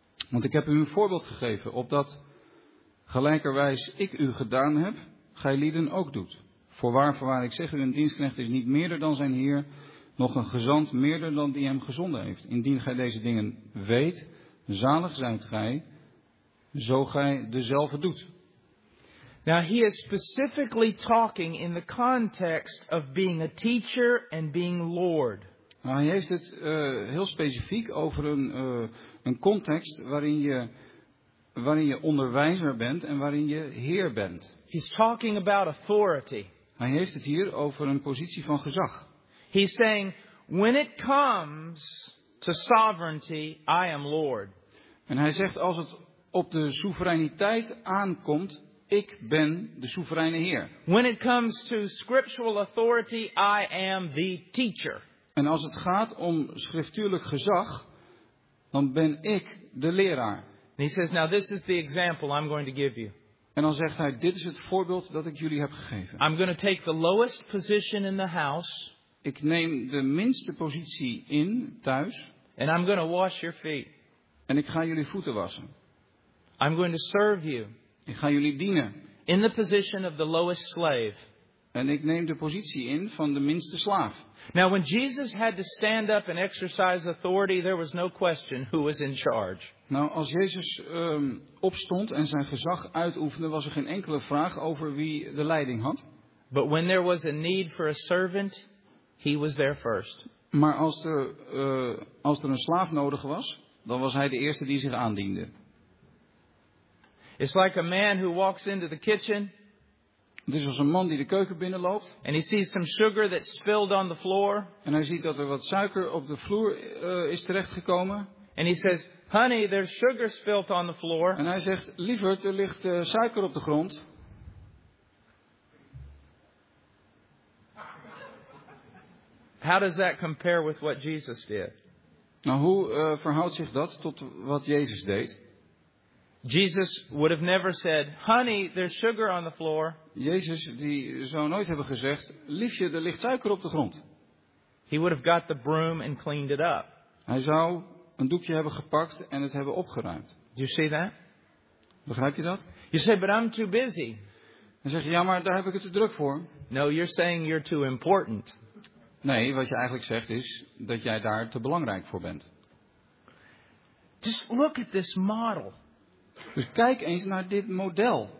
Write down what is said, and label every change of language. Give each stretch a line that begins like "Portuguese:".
Dutch: Want ik heb u een voorbeeld gegeven, opdat gelijkerwijs ik u gedaan heb, gij lieden ook doet. Voorwaar, ik zeg u, een dienstknecht is niet meerder dan zijn Heer, nog een gezant meerder dan die hem gezonden heeft. Indien gij deze dingen weet, zalig zijt gij, zo gij dezelfde doet.
English: Now he is specifically talking in the context of being a teacher and being Lord.
Dutch: Nou, hij heeft het heel specifiek over een context waarin je onderwijzer bent en waarin je heer bent.
English: He's talking about authority.
Dutch: Hij heeft het hier over een positie van gezag.
English: He's saying, when it comes to sovereignty, I am Lord.
Dutch: En hij zegt, als het op de soevereiniteit aankomt, ik ben de soevereine Heer.
English: When it comes to scriptural authority, I am the teacher.
Dutch: En als het gaat om schriftuurlijk gezag, dan ben ik de leraar.
English: And he says, now this is the example I'm going to give you.
Dutch: En dan zegt hij, dit is het voorbeeld dat ik jullie heb gegeven.
English: I'm going to take the lowest position in the house.
Dutch: Ik neem de minste positie in thuis.
English: And I'm going to wash your feet.
Dutch: En ik ga jullie voeten wassen.
English: I'm going to serve you.
Dutch: Ik ga jullie dienen.
English: In the position of the lowest slave.
Dutch: En ik neem de positie in van de minste slaaf.
English: Now when Jesus had to stand up and exercise authority, there was no question who was in charge.
Dutch: Nou, als Jezus opstond en zijn gezag uitoefende, was er geen enkele vraag over wie de leiding had.
English: But when there was a need for a servant, he was there first.
Dutch: Maar als er een slaaf nodig was, dan was hij de eerste die zich aandiende.
English: It's like a man who walks into the kitchen.
Dutch: Het is als een man die de keuken binnenloopt.
English: And he sees some sugar that spilled on the floor.
Dutch: En hij ziet dat er wat suiker op de vloer is terechtgekomen.
English: And he says, honey, there's sugar spilled on the floor.
Dutch: En hij zegt, lieverd, er ligt suiker op de grond.
English: How does that compare with what Jesus did?
Dutch: Nou, hoe verhoudt zich dat tot wat Jezus deed?
English: Jesus would have never said, honey, there's sugar on the floor.
Dutch: Jezus die zou nooit hebben gezegd, liefje, er ligt suiker op de grond.
English: He would have got the broom and cleaned it up.
Dutch: Hij zou een doekje hebben gepakt en het hebben opgeruimd.
English: Do you see that?
Dutch: Begrijp je dat?
English: You say, but I'm too busy.
Dutch: Dan zeg je, ja, maar daar heb ik het te druk voor.
English: No, you're saying you're too important.
Dutch: Nee, wat je eigenlijk zegt is dat jij daar te belangrijk voor bent.
English: Just look at this model.
Dutch: Dus kijk eens naar dit model.